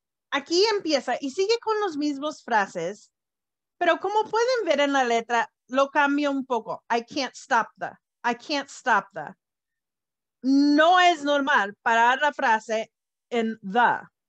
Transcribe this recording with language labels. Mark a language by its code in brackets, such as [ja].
[es] Aquí empieza y sigue con los mismos frases, pero como pueden ver en la letra, lo cambio un poco. [en] I can't stop the, I can't stop the. [es] No es normal parar la frase en the.